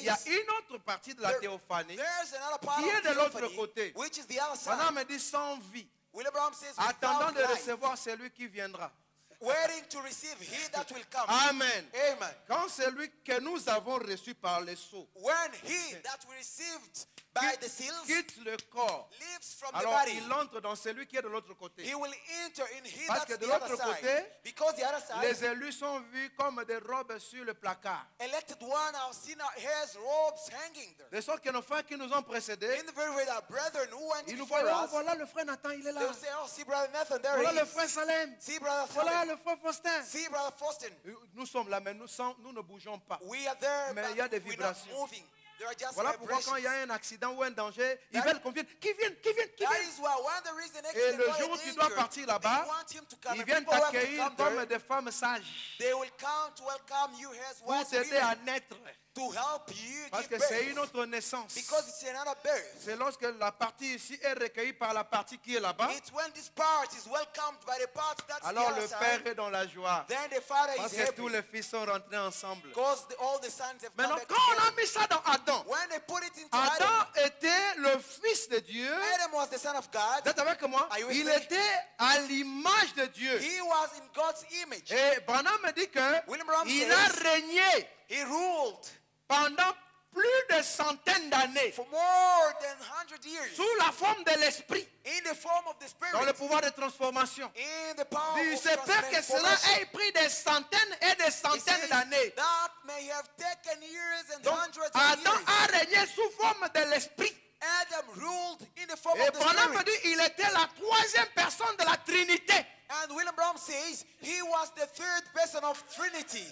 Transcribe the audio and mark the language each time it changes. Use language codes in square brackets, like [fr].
[fr] Il y a une autre partie de la théophanie. [en] There's another part [fr] qui est de l'autre côté. [en] Which is the other side. [fr] Branham me dit sans vie. [en] William Branham says. [fr] Attendant de [en] life, [fr] recevoir celui qui viendra. [en] Waiting to receive he that will come. Amen. Amen. [fr] Quand celui que nous avons reçu par les sceaux. [en] When he that we received by the seals. [fr] Quitte le corps. [en] Leaves from [fr] alors, [en] the body. [fr] Alors il entre dans celui qui est de l'autre côté. [en] He will enter in he [fr] parce [en] that's [fr] de l'autre [en] the other [fr] côté, [en] side. Because the other side. [fr] Les élus sont vus comme des robes sur le placard. [en] Elected one have seen his robes hanging there. [fr] De sorte que nos frères qui nous ont précédés. [en] In the very way that brethren who went [fr] ils [en] before [fr] voient, [en] us. [fr] Oh, voilà le frère Nathan il est là. [en] They say oh see brother Nathan there [fr] voilà [en] he is. [fr] Voilà le frère Salem. [en] See brother Salem. [fr] Voilà le frère Faustin. [en] See brother Faustin. [fr] Nous sommes là mais nous ne bougeons pas. [en] We are there [fr] mais [en] but [fr] il y a des vibrations. [en] We're not moving. There are just [fr] voilà pourquoi quand il y a un accident ou un danger, ils veulent qu'on vienne. Qui vient, qui vient, qui vient. Et le jour où tu dois partir là-bas, ils viennent t'accueillir comme des femmes sages. [en] They will come to welcome you as wise women. [fr] Pour t'aider à naître. [en] To help you [fr] parce que [en] birth. [fr] C'est une autre naissance. [en] Because it's another birth. [fr] C'est lorsque la partie ici est recueillie par la partie qui est là-bas. [en] It's when this part is welcomed by the part that's [fr] alors [en] the [fr] le Père est dans la joie. [en] Then the Father [fr] parce [en] is [fr] que [en] happy. [fr] Tous les fils sont rentrés ensemble. [en] Because all the sons have [fr] maintenant, [en] come back [fr] quand on a mis ça dans Adam, [en] when they put it into Adam, Adam [fr] était le fils de Dieu. [en] Adam was the son of God. [fr] Vous êtes avec moi? [en] Are you with [fr] il [en] me? [fr] Était à l'image de Dieu. [en] He was in God's image. [fr] Et Branham me dit que [en] William Branham [fr] il [en] says, [fr] a régné. [en] He ruled. [fr] Pendant plus de centaines d'années. [en] For more than 100 years. [fr] Sous la forme de l'esprit. [en] In the form of the spirit. [fr] Dans le pouvoir de transformation. [en] In the power of [fr] se peut que cela ait pris des centaines et des centaines d'années. [en] That may have taken years and [fr] donc, [en] hundreds Adam of years. [fr] A régné sous forme de l'esprit. [en] Adam ruled in the form [fr] et [en] of the spirit. [fr] Et Branham dit il était la troisième personne de la Trinité. [en] And William Brown says he was the third person of Trinity.